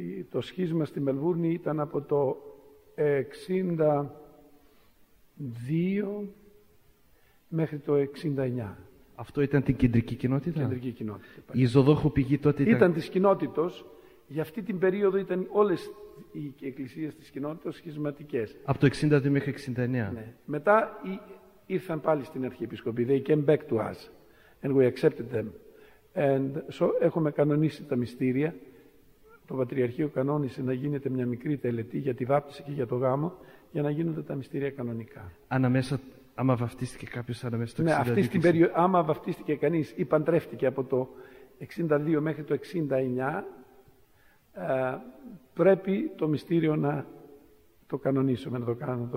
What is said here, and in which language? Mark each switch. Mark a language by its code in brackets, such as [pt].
[el] Το σχίσμα στη Μελβούρνη ήταν από το 62 μέχρι το 69. Αυτό ήταν την κεντρική κοινότητα. Κεντρική κοινότητα. Η Ζωοδόχο πηγή τότε ήταν... Ήταν της κοινότητος. Για αυτή την περίοδο ήταν όλες οι εκκλησίες της κοινότητας σχισματικές. Από το 62 μέχρι 69. Ναι. Μετά ήρθαν πάλι στην Αρχιεπισκοπή. [en] They came back to us and we accepted them. And so [el] έχουμε κανονίσει τα μυστήρια. Το Πατριαρχείο κανόνισε να γίνεται μια μικρή τελετή για τη βάπτιση και για το γάμο για να γίνονται τα μυστήρια κανονικά. Αναμέσα, άμα βαφτίστηκε κάποιος αναμέσα το 62. Ναι, αυτή την περίοδο, άμα βαφτίστηκε κανείς ή παντρεύτηκε από το 62 μέχρι το 69, πρέπει το μυστήριο να το κανονίσουμε, να το κάνουμε.